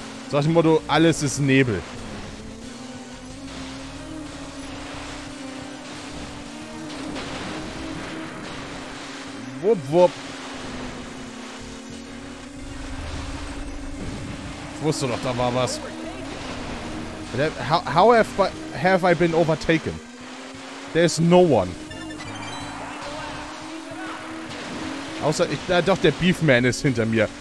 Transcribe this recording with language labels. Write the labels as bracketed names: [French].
[German] Sag ich dem Motto, alles ist Nebel. Wupp, wupp. Ich wusste doch, da war was. [English] How have I been overtaken? There's no one. [German] Außer, ich, doch, der Beefman ist hinter mir.